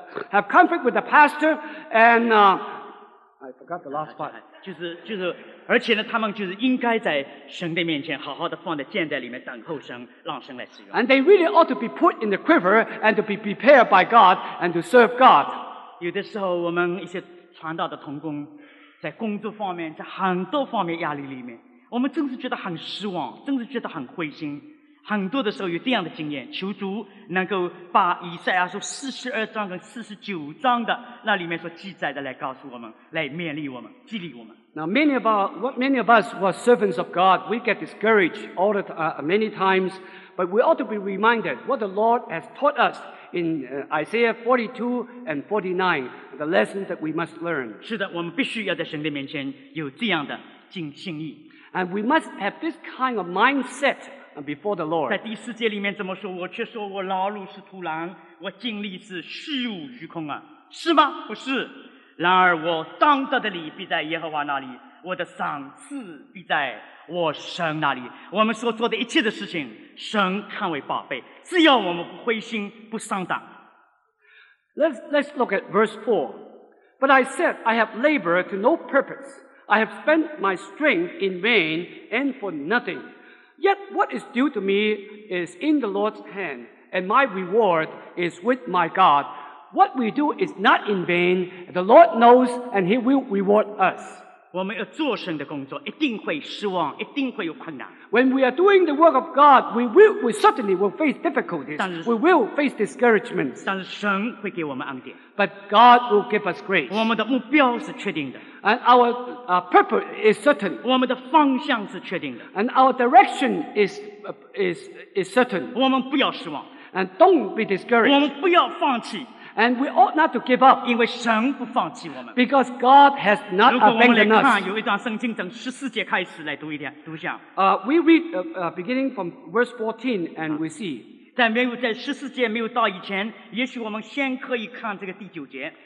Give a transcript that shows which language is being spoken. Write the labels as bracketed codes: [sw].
[en] Have conflict with the pastor, and I forgot the last part. [zh] 就是，而且呢，他们就是应该在神的面前好好的放在箭袋里面等候神，让神来使用。 [en] And they really ought to be put in the quiver and to be prepared by God and to serve God. [zh] 有的时候，我们一些传道的同工，在工作方面，在很多方面压力里面。我们真是觉得很失望，真是觉得很灰心。很多的时候有这样的经验，求主能够把以赛亚书42章跟49章的那里面所记载的来告诉我们，来勉励我们，激励我们。 [en] Now many of us who are servants of God, we get discouraged all the many times, but we ought to be reminded what the Lord has taught us in Isaiah 42 and 49, the lessons that we must learn. [zh] 是的，我们必须要在神的面前有这样的敬信义。 [en] And we must have this kind of mindset before the Lord. [zh] 在第四节里面怎么说？我却说我劳碌是徒然，我精力是虚无虚空啊，是吗？不是。然而我当得的礼必在耶和华那里，我的赏赐必在我神那里。我们所做的一切的事情，神看为宝贝，只要我们不灰心不上当。 [en] Let's look at verse 4. But I said, I have labored to no purpose. I have spent my strength in vain and for nothing. Yet what is due to me is in the Lord's hand, and my reward is with my God. What we do is not in vain. The Lord knows, and He will reward us. [zh] 我们要做神的工作，一定会失望，一定会有困难。 [en] When we are doing the work of God, we certainly will face difficulties. We will face discouragement. [zh] 但是神会给我们恩典。 [en] But God will give us grace. [zh] 我们的目标是确定的。 [en] And our purpose is certain. [zh] 我们的方向是确定的。 [en] And our direction is certain. [zh] 我们不要失望。 [en] And don't be discouraged. [zh] 我们不要放弃。 [en] And we ought not to give up. [zh] 因为神不放弃我们。 [en] Because God has not abandoned us. [zh] 如果我们来看，有一段圣经，从十四节开始来读一点，读一下。 [en] We read beginning from verse 14, and we see. [zh] 在十四节没有到以前，也许我们先可以看这个第九节。